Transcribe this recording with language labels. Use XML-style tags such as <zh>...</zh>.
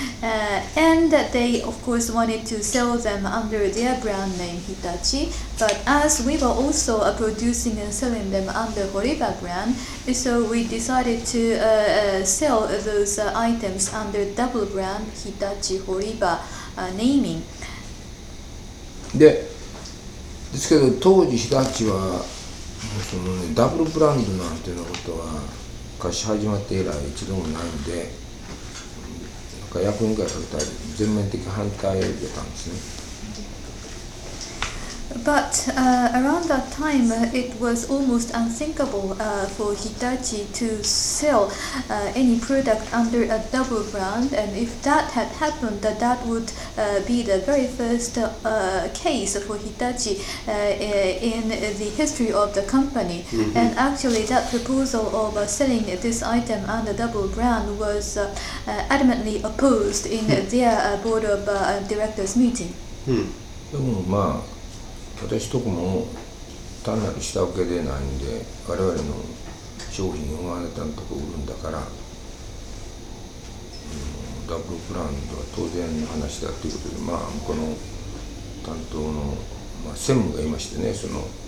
<en>And they, of course, wanted to sell them under their brand name, Hitachi. But as we were also producing and selling them under Horiba brand, so we decided to sell those items under double brand, Hitachi Horiba naming. Yeah.</en> <ja>ですけど当時日立はその、ね、ダブルブランドなんていうのことは貸し始まって以来一度もないんで、なんか役員会されたら全面的反対を受けたんですね。</ja> <en>But around that time, it was almost unthinkable for Hitachi to sell any product under a double brand. And if that had happened, that would be the very first case for Hitachi in the history of the company. Mm-hmm. And actually, that proposal of selling this item under double brand was adamantly opposed in their board of directors meeting.</en> <ja>私とこも単なる下請けでないんで、我々の商品をあなたのとこ売るんだから、ダブルプランとは当然の話だということで、まあ、向こうの担当の、まあ、専務がいましてね、その</ja>